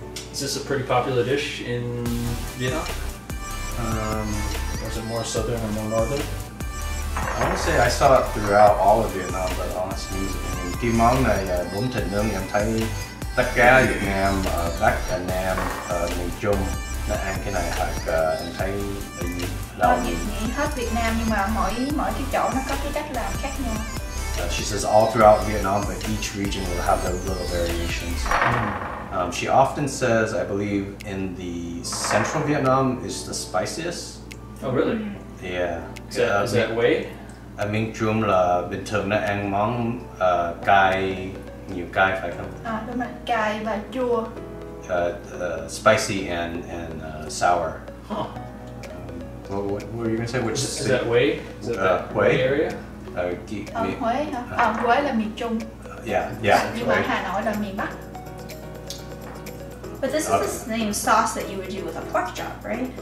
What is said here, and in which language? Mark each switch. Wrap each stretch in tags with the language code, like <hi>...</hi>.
<en>Is this a pretty popular dish in Vietnam? Was it more southern or more northern? I would say I saw it throughout all of Vietnam, but honestly,</en> <vi>khi món này bún thịt nướng em thấy tất cả Việt Nam, Bắc, Anh Nam, miền Trung là ăn cái này hoặc em thấy là nhìn hết Việt Nam nhưng mà mỗi cái chỗ nó có cái cách làm khác nhau.</vi> <en>She says all throughout Vietnam, but each region will have their little variations. She often says, I believe, in the central Vietnam is the spiciest. Oh, really? Yeah. Is that way?</en> <vi>Miền Trung là bình thường nó ăn món cay nhiều cay phải không? À, đúng rồi, cay và chua.</vi> <en>Spicy and sour. Huh. What were you going to say? Which is that Huế? Is that Huế area? Huế</en> <vi>hả? Huế là miền Trung.</vi> <en>Yeah.</en> <vi>Nhưng mà Hà Nội là miền Bắc.</vi> <en>But this is the same sauce that you would do with a pork chop, right?</en>